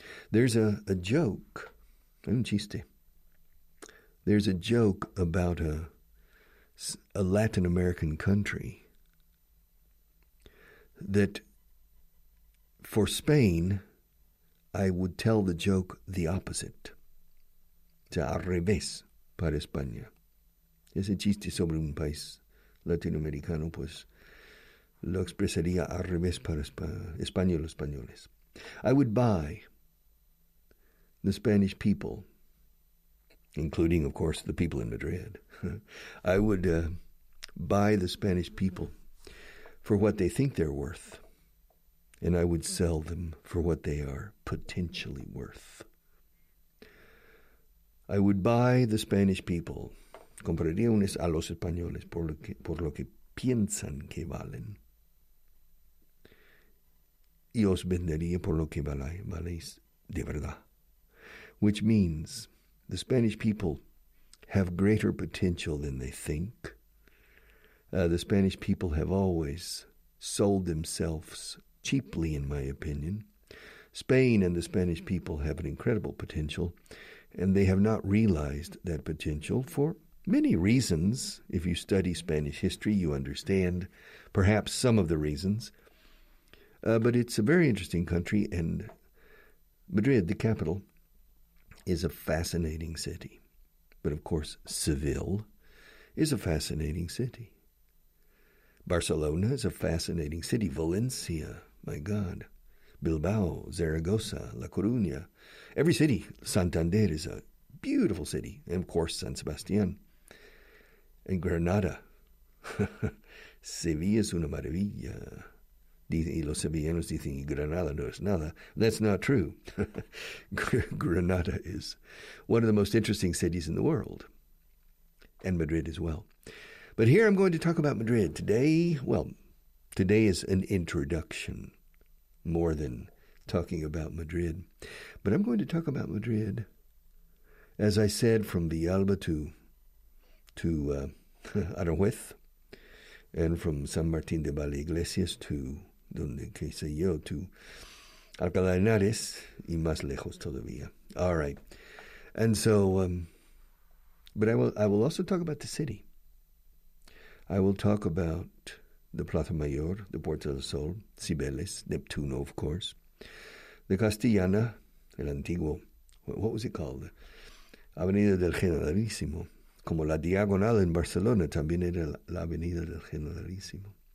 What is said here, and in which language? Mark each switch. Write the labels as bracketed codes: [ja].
[en] There's a joke, [es] un chiste. [en] There's a joke about a Latin American country that for Spain, I would tell the joke the opposite. It's [es] al revés para España. Ese chiste sobre un país latinoamericano, pues, lo expresaría al revés para españoles. [en] I would buy the Spanish people, including, of course, the people in Madrid. I would buy the Spanish people for what they think they're worth, and I would sell them for what they are potentially worth. I would buy the Spanish people. [es] Compraría unos a los españoles por lo que piensan que valen. y os vendería por lo que valéis de verdad. [en] Which means the Spanish people have greater potential than they think. The Spanish people have always sold themselves cheaply, in my opinion. Spain and the Spanish people have an incredible potential, and they have not realized that potential for many reasons. If you study Spanish history, you understand perhaps some of the reasons. But it's a very interesting country, and Madrid, the capital, is a fascinating city. But of course, Seville is a fascinating city. Barcelona is a fascinating city. Valencia, my God. Bilbao, Zaragoza, La Coruña. Every city. Santander is a beautiful city. And of course, San Sebastian. And Granada. [es] Sevilla es una maravilla. Y los sevillanos dicen, y Granada no es nada. [en] That's not true. Granada is one of the most interesting cities in the world. And Madrid as well. But here I'm going to talk about Madrid. Today is an introduction more than talking about Madrid. But I'm going to talk about Madrid, as I said, from Villalba to Aranjuez, and from San Martín de Valdeiglesias to [es] donde que sé yo, [en] to Alcalá de Henares, [es] y más lejos todavía. [en] All right. And so, but I will also talk about the city. I will talk about the Plaza Mayor, the Puerta del Sol, Cibeles, Neptuno, of course, the Castellana, [es] el Antiguo, [en] what was it called? [es] Avenida del Generalísimo, como la Diagonal en Barcelona, también era la Avenida del Generalísimo.